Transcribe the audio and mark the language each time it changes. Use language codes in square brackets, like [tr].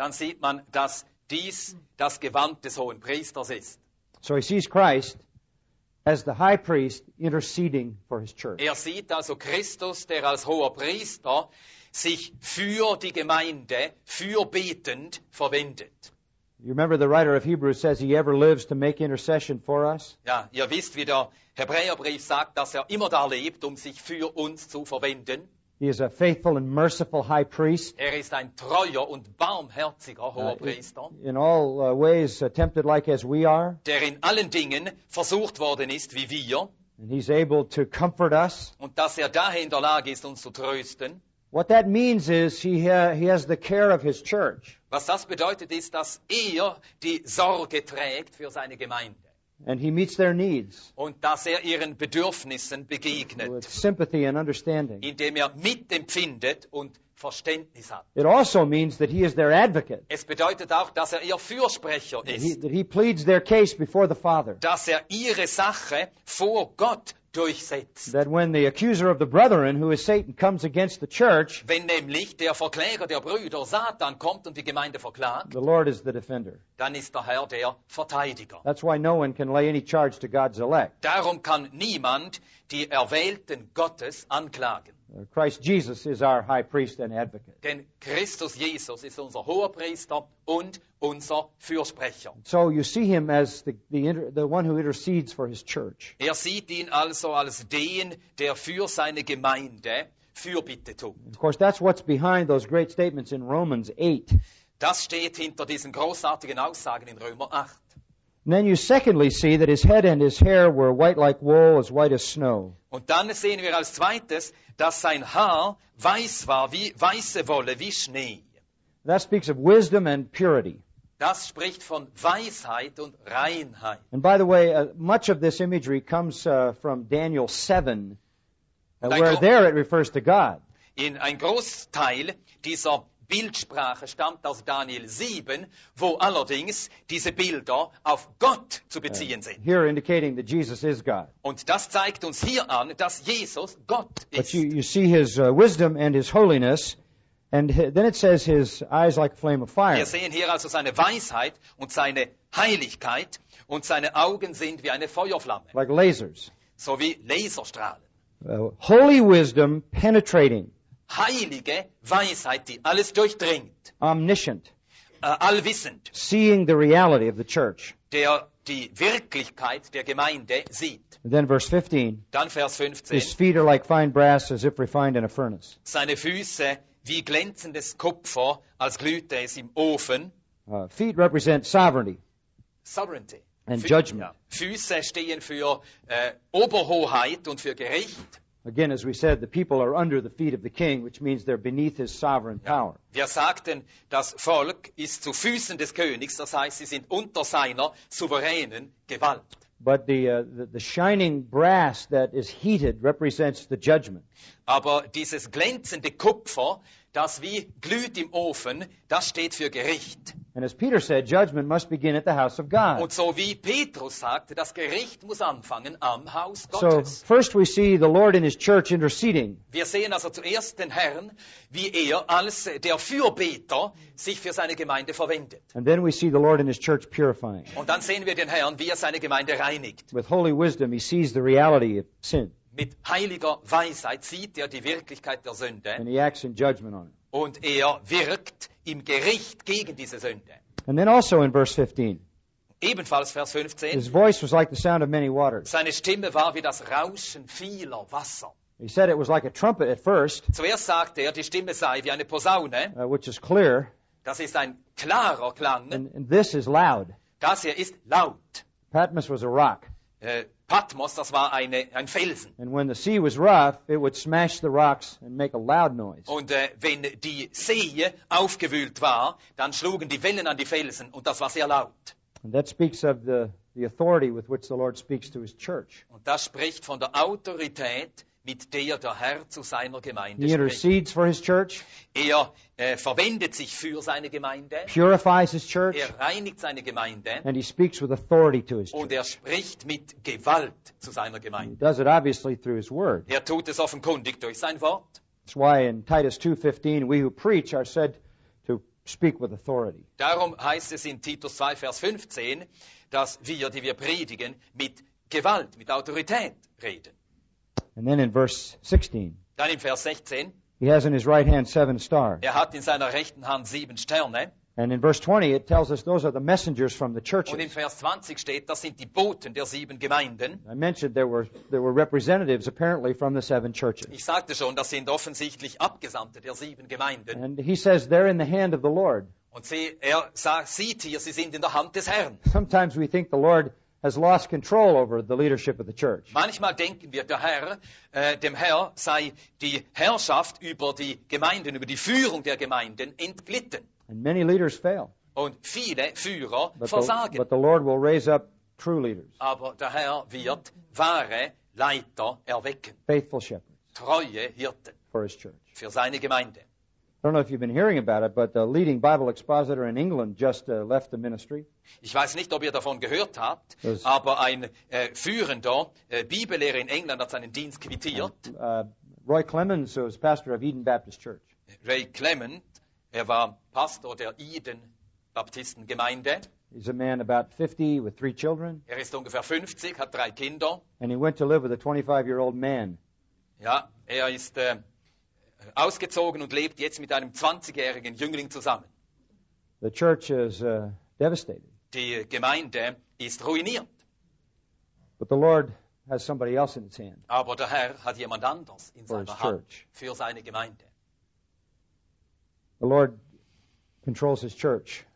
[de] Dann sieht man, dass dies das Gewand des hohen Priesters ist. [en] So he sees Christ as the high priest interceding for his church. [de] Er sieht also Christus, der als hoher Priester sich für die Gemeinde fürbetend verwendet. [en] You remember the writer of Hebrews says he ever lives to make intercession for us? [de] Ja, ihr wisst, wie der Hebräerbrief sagt, dass er immer da lebt, um sich für uns zu verwenden. [en] He is a faithful and merciful high priest. [de] Er ist ein treuer und barmherziger hoher Priester. [en] In all ways tempted like as we are. [de] Der in allen Dingen versucht worden ist wie wir. [en] And he's able to comfort us. [de] Und dass er daher in der Lage ist, uns zu trösten. [en] What that means is he has the care of his church. [de] Was das bedeutet ist, dass er die Sorge trägt für seine Gemeinde. [en] And he meets their needs. [de] Und dass er ihren Bedürfnissen begegnet. [en] With sympathy and understanding. [de] Indem er mitempfindet und Verständnis hat. [en] It also means that he is their advocate. [de] Es bedeutet auch, dass er ihr Fürsprecher ist. [en] That he pleads their case before the Father. [de] Dass er ihre Sache vor Gott durchsetzt. [en] That when the accuser of the brethren, who is Satan, comes against the church, [de] wenn nämlich der Verkläger der Brüder Satan kommt und die Gemeinde verklagt, [en] the Lord is the defender. [de] Dann ist der Herr der Verteidiger. [en] That's why no one can lay any charge to God's elect. [de] Darum kann niemand die Erwählten Gottes anklagen. [en] Christ Jesus is our high priest and advocate. [de] Denn Christus Jesus ist unser hoher Priester und unser Fürsprecher. [en] So you see him as the one who intercedes for his church. [de] Er sieht ihn also als den, der für seine Gemeinde Fürbitte tut. [en] Of course, that's what's behind those great statements in Romans 8. [de] Das steht hinter diesen großartigen Aussagen in Römer 8. [en] And then you secondly see that his head and his hair were white like wool, as white as snow. [de] Und dann sehen wir als zweites, dass sein Haar weiß war wie weiße Wolle, wie Schnee. [en] That speaks of wisdom and purity. [de] Das spricht von Weisheit und Reinheit. [en] And by the way, much of this imagery comes from Daniel 7, where there it refers to God. [de] In ein Großteil dieser Bildsprache stammt aus Daniel 7, wo allerdings diese Bilder auf Gott zu beziehen sind. [en] Here indicating that Jesus is God. [de] Und das zeigt uns hier an, dass Jesus Gott ist. [en] But you see his wisdom and his holiness, and then it says his eyes like a flame of fire. [de] Wir sehen hier also seine Weisheit und seine Heiligkeit und seine Augen sind wie eine Feuerflamme. [en] Like lasers. [de] So wie Laserstrahlen. [en] Holy wisdom penetrating. [de] Heilige Weisheit, die alles durchdringt. [en] Omniscient. [de] Allwissend. [en] Seeing the reality of the church. [de] Der die Wirklichkeit der Gemeinde sieht. [en] Then verse 15. [de] Dann Vers 15. [en] His feet are like fine brass, as if refined in a furnace. [de] Seine Füße wie glänzendes Kupfer, als glühte es im Ofen. [en] Feet represent sovereignty. Sovereignty. And judgment. [de] Füße stehen für Oberhoheit und für Gericht. [en] Again, as we said, the people are under the feet of the king, which means they're beneath his sovereign power. [de] Wir sagten, das Volk ist zu Füßen des Königs, das heißt, sie sind unter seiner souveränen Gewalt. [en] But the shining brass that is heated represents the judgment. [de] Aber dieses glänzende Kupfer, das wie glüht im Ofen, das steht für Gericht. [en] And as Peter said, judgment must begin at the house of God. [de] Und so wie Petrus sagte, das Gericht muss anfangen am Haus Gottes. [en] So first we see the Lord in his church interceding. [de] Wir sehen also zuerst den Herrn, wie er als der Fürbeter sich für seine Gemeinde verwendet. [en] And then we see the Lord in his church purifying. [de] Und dann sehen wir den Herrn, wie er seine Gemeinde reinigt. [en] With holy wisdom he sees the reality of sin. [de] Mit heiliger Weisheit sieht er die Wirklichkeit der Sünde. [en] And he acts in judgment on it. [de] Und er wirkt im Gericht gegen diese Sünde. [en] And then also in verse 15. [de] Ebenfalls Vers 15. [en] His voice was like the sound of many waters. [de] Seine Stimme war wie das Rauschen vieler Wasser. [en] He said it was like a trumpet at first. [de] Zuerst sagte die Stimme sei wie eine Posaune. [en] Which is clear. [de] Das ist ein klarer Klang. [en] And this is loud. [de] Das hier ist laut. [en] Patmos was a rock. [de] Patmos, das war ein Felsen. [en] And when the sea was rough, it would smash the rocks and make a loud noise. [de] Und wenn die See aufgewühlt war, dann schlugen die Wellen an die Felsen und das war sehr laut. [en] And that speaks of the authority with which the Lord speaks to his church. [de] Und das spricht von der Autorität, mit der Herr zu seiner Gemeinde spricht. [en] He intercedes for his church. [de] Er verwendet sich für seine Gemeinde. [en] Purifies his church. [de] Er reinigt seine Gemeinde. [en] And he speaks with authority to his church. [de] Und er spricht mit Gewalt zu seiner Gemeinde. [en] He does it obviously through his word. [de] Er tut es offenkundig durch sein Wort. [en] That's why in Titus 2:15 we who preach are said to speak with authority. [de] Darum heißt es in Titus 2 Vers 15, dass wir, die wir predigen, mit Gewalt, mit Autorität reden. [en] And then in verse 16. [de] Dann im Vers 16. [en] He has in his right hand 7 stars. [de] Er hat in seiner rechten Hand 7 Sterne. [en] And in verse 20 it tells us those are the messengers from the churches. [de] Und im Vers 20 steht, das sind die Boten der 7 Gemeinden. [en] I mentioned there were representatives apparently from the 7 churches. [de] Ich sagte schon, das sind offensichtlich Abgesandte der 7 Gemeinden. [en] And he says they're in the hand of the Lord. [de] Und sieht hier, sie sind in der Hand des Herrn. [en] Sometimes we think the Lord has lost control over the leadership of the church. [de] Manchmal denken wir, der Herr, dem Herr sei die Herrschaft über die Gemeinden, über die Führung der Gemeinden entglitten. [en] And many leaders fail. [de] Und viele Führer versagen. [en] But the Lord will raise up true leaders. [de] Aber der Herr wird wahre Leiter erwecken. [en] Faithful shepherds. [de] Treue Hirten. [en] For his church. [de] Für seine Gemeinde. [en] I don't know if you've been hearing about it, but the leading Bible expositor in England just left the ministry. [de] Ich weiß nicht, ob ihr davon gehört habt, aber ein führender Bibellehrer in England hat seinen Dienst quittiert. [en] Roy Clemens was pastor of Eden Baptist Church. [de] Ray Clement, er war Pastor der Eden Baptistengemeinde. [en] He's a man about 50 with 3 children. [de] Er ist ungefähr 50, hat 3 Kinder. [en] And he went to live with a 25-year-old man. [de] Ja, er ist ausgezogen und lebt jetzt mit einem 20-jährigen Jüngling zusammen. [en] The church is devastated. [de] Die Gemeinde ist ruiniert. [en] But the Lord has somebody else in his hand. [de] Aber der Herr hat jemand anders in seiner Hand [en] church. [de] Für seine Gemeinde. [en] The Lord controls his church.